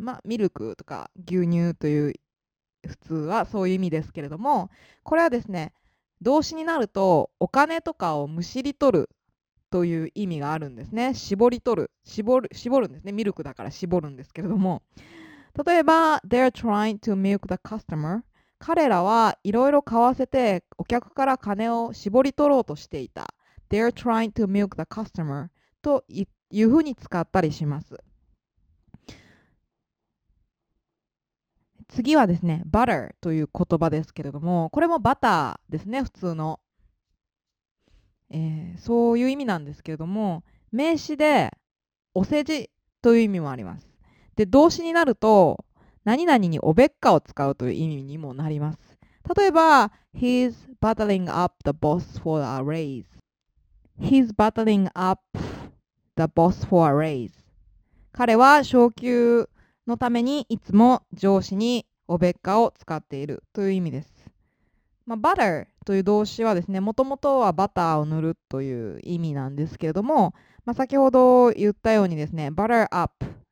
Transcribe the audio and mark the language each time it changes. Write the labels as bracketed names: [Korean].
[Japanese] まあ、ミルクとか牛乳という普通はそういう意味ですけれども、これはですね、動詞になるとお金とかをむしり取るという意味があるんですね。絞るんですね。ミルクだから絞るんですけれども。 [English] 例えば、They're trying to milk the customer. [Japanese] 彼らはいろいろ買わせてお客から金を絞り取ろうとしていた。 [English] They're trying to milk the customer. [Japanese] というふうに使ったりします。次はですね、Butter という言葉ですけれども、これもバターですね、普通の。そういう意味なんですけれども、名詞でお世辞という意味もあります。で、動詞になると、何々におべっかを使うという意味にもなります。 [English] 例えば、He's battling up the boss for a raise. He's battling up the boss for a raise. [Japanese] 彼は昇給のためにいつも上司におべっかを使っているという意味です。まあ、butter という動詞はですね、もともとはバターを塗るという意味なんですけれども、まあ、先ほど言ったようにですね、butter up。